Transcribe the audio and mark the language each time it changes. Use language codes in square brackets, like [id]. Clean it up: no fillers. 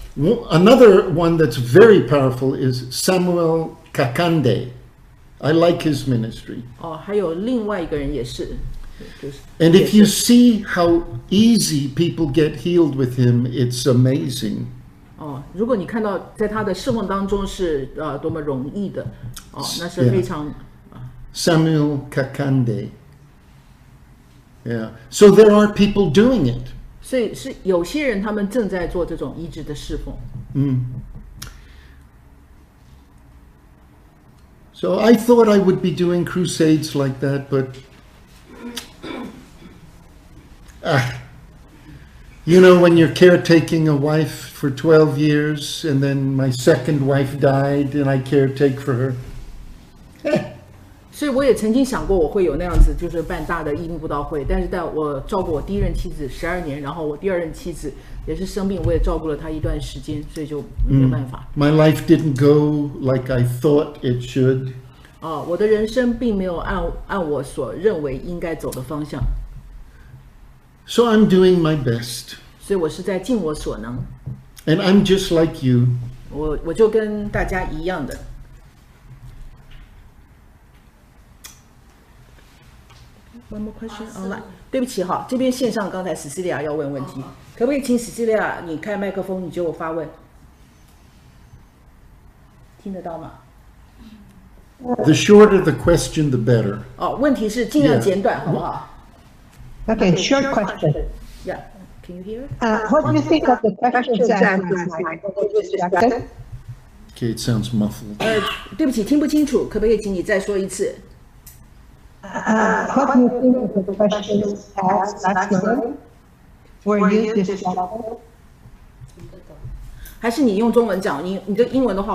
[en] Another one that's very powerful is Samuel Kakande. I like his ministry. [zh] 哦，还有另外一个人也是，就是。 [en] And if you see how easy people get healed with him, it's amazing. [zh] 哦，如果你看到在他的侍奉当中是多么容易的，哦，那是非常。 [en] Samuel Kakande. Yeah. So there are people doing it. [zh] 所以是有些人他们正在做这种医治的侍奉。 [en] So I thought I would be doing crusades like that, but you know, when you're caretaking a wife for 12 years and then my second wife died and I caretake for her. [zh] 所以我也曾经想过我会有那样子，就是办大的义工布道会。但是在我照顾我第一任妻子12年，然后我第二任妻子也是生病，我也照顾了她一段时间，所以就没有办法。 [en] My life didn't go like I thought it should. [zh] 哦，我的人生并没有按我所认为应该走的方向。 [en] So I'm doing my best. [zh] 所以我是在尽我所能。 [en] And I'm just like you. [zh] 我就跟大家一样的。 [en] One more question online. [zh] 对不起哈，这边线上刚才史西利亚要问问题，可不可以请史西利亚你开麦克风，你就发问，听得到吗 [en] ？The shorter the question, the better. [zh] 哦，问题是尽量简短，好不好 [en] ？Okay, short question. Yeah, can you hear? What do you think of the questions answered? Okay, it sounds muffled. [zh] 对不起，听不清楚，可不可以请你再说一次？ [en] What do you think of the questions asked last year? Were you disappointed? [zh] 还是你用中文讲，你的英文的话，